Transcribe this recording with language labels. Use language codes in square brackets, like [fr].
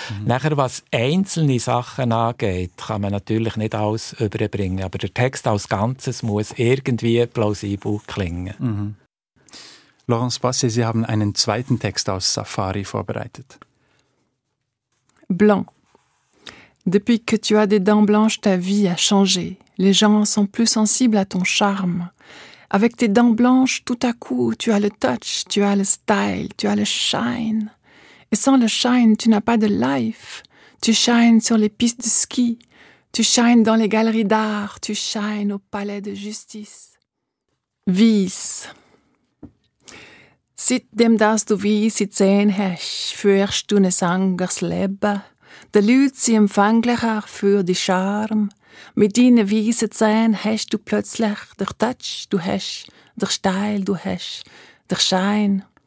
[de] Nachher, was einzelne Sachen angeht, kann man natürlich nicht alles überbringen, aber der Text als Ganzes muss irgendwie plausibel klingen. Laurence Boissier, Sie haben einen zweiten Text aus Safari vorbereitet. [fr] Blanc. Depuis que tu as des dents blanches, ta vie a changé. Les gens sont plus sensibles à ton charme. Avec tes dents blanches, tout à coup, tu as le touch, tu as le style, tu as le shine. Et sans le shine, tu n'as pas de life. Tu shines sur les pistes de ski, tu shines dans les galeries d'art, tu shines au palais de justice. [de] Wies. Sit dem, dass du Wies sehen hast, führst du ein anderes Leben. Die Leute sind empfänglicher für die Charme. Mit deinen weisen Zähnen hast du plötzlich den Touch, du hast den Style, du hast den Schein.